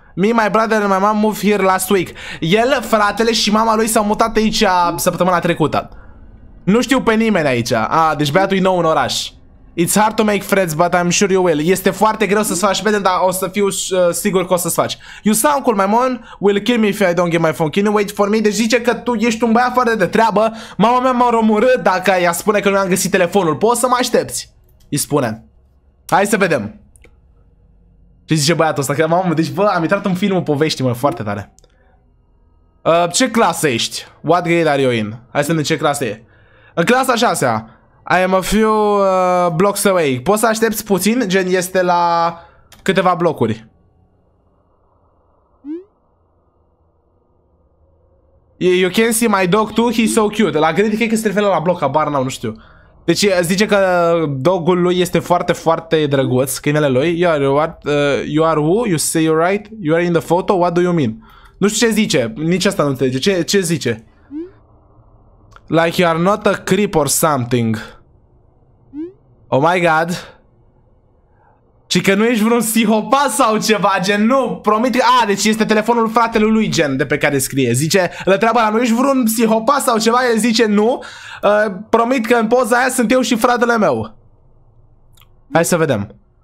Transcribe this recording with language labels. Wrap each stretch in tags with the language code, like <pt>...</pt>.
<en>Me, my brother and my mom moved here last week.</en> <ro>El, fratele și mama lui s-au mutat aici săptămâna trecută. Nu știu pe nimeni aici. Ah, deci băiatul e nou în oraș.</ro> <en>It's hard to make friends, but I'm sure you will.</en> <ro>Este foarte greu să-ți faci prieten, dar o să fiu sigur că o să-ți faci.</ro> <en>You sound cool, my mom will kill me if I don't get my phone. Can you wait for me?</en> <ro>Deci zice că tu ești un băiat fără de treabă. Mama mea m-a omorât dacă ea spune că nu am găsit telefonul. Poți să mă aștepți? Îi spune. Hai să vedem. Ce zice băiatul ăsta? Mamă, deci bă, am intrat în filmul poveștii, mă, foarte tare. Ce clasă ești?</ro> <en>What grade are you in?</en> <ro>Hai să vedem ce clasă e. În clasa 6-a.</ro> <en>I am a few blocks away.</en> <ro>Poți să aștepți puțin? Gen, este la câteva blocuri.</ro> <en>You can see my dog too, he's so cute.</en> <ro>La grade, cred că se referă la bloc, habar n-am, nu știu. Deci zice că dogul lui este foarte, foarte drăguț, câinele lui.</ro> <en>You are who? You say you're right? You are in the photo? What do you mean?</en> <ro>Nu știu ce zice, nici asta nu înțelege. Ce zice?</ro> <en>Like you are not a creep or something. Oh my god.</en> <ro>Și că nu ești vreun psihopat sau ceva, gen, nu, promit că... Ah, deci este telefonul fratelui lui, gen, de pe care scrie. Zice, la treaba la nu ești vreun psihopat sau ceva, el zice, nu, promit că în poza aia sunt eu și fratele meu. Hai să vedem.</ro>